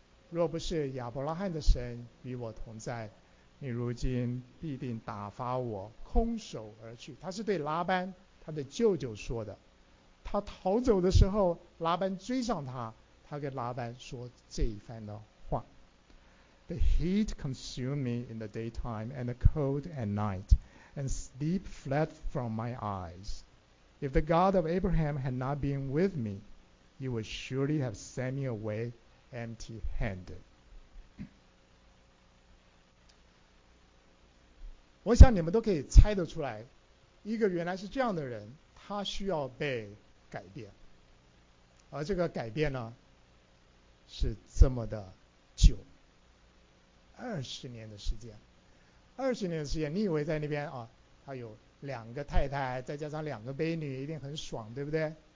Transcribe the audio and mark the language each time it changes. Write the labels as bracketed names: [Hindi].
[Chinese] 若不是亚伯拉罕的神与我同在，你如今必定打发我空手而去。他是对拉班他的舅舅说的，他逃走的时候拉班追上他，他跟拉班说这一番的话。 [English] The heat consumed me in the daytime and the cold at night, and sleep fled from my eyes. If the God of Abraham had not been with me, he would surely have sent me away empty-handed. [Chinese] 我想你们都可以猜得出来，一个原来是这样的人，他需要被改变，而这个改变呢是这么的久，20年的时间，你以为在那边啊，他有2个太太，再加上2个婢女，一定很爽，对不对？